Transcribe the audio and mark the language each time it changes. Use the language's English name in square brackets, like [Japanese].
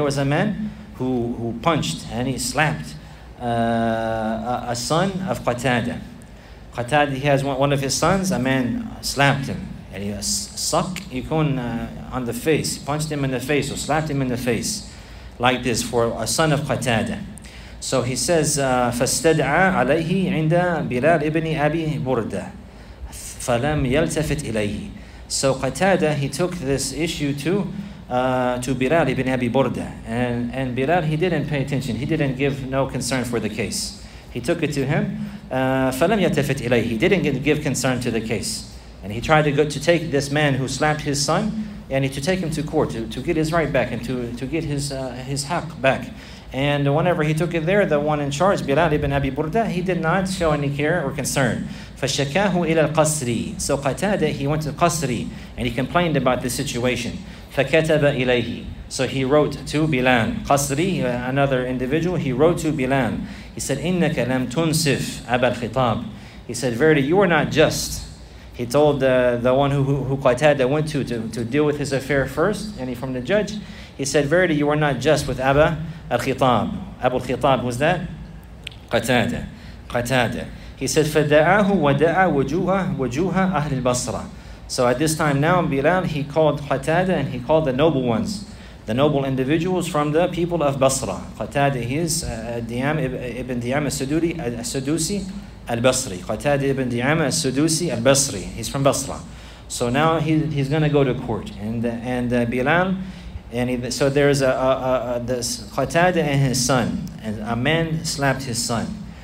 [English] There was a man who punched and he slapped a son of Qatada. Qatada, he has one of his sons, a man slapped him. And he suck, yikun, on the face, punched him in the face, or slapped him in the face, like this, for a son of Qatada. So he says, [Arabic] فَاسْتَدْعَى عَلَيْهِ عِنْدَ بِلَالِ إِبْنِ أَبِي بُرْدَ فَلَمْ يَلْتَفِتْ إِلَيْهِ. [English] So Qatada, he took this issue to Bilal ibn Abi Burda. And Bilal, he didn't pay attention. He didn't give no concern for the case. He took it to him. [Arabic] فَلَمْ يَتَفِتْ إِلَيْهِ. [English] He didn't give concern to the case. And he tried to take this man who slapped his son, and he to take him to court to get his right back and to get his haq back. And whenever he took it there, the one in charge, Bilal ibn Abi Burda, he did not show any care or concern. [Arabic] فَشَكَاهُ إِلَى الْقَصْرِ. [English] So Qatada, he went to Qasri, and he complained about the situation. [Arabic] فَكَتَبَ إِلَيْهِ. [English] So he wrote to Bilal. Qasri, another individual, he wrote to Bilal. He said, [Arabic] إِنَّكَ لَمْ تُنْسِفْ أَبَا الْخِطَابِ. [English] He said, verily, you are not just. He told the one who Qatada went to deal with his affair first, and he from the judge. He said, verily, you are not just with Abba al-Khitab. Abu al-Khitab was that? Qatada. Qatada. He said, [Arabic] فَدَعَاهُ وَدَعَى وَجُوهَ أَهْلِ الْبَصْرَ. [English] So at this time now, Bilal, he called Qatada, and he called the noble ones, the noble individuals from the people of Basra. Qatada, he is ibn Di'am al-Sudusi al-Basri. Qatada ibn Di'am al-Sudusi al-Basri. He's from Basra. So now he's going to go to court, and Bilal, and so there's this Qatada and his son, and a man slapped his son.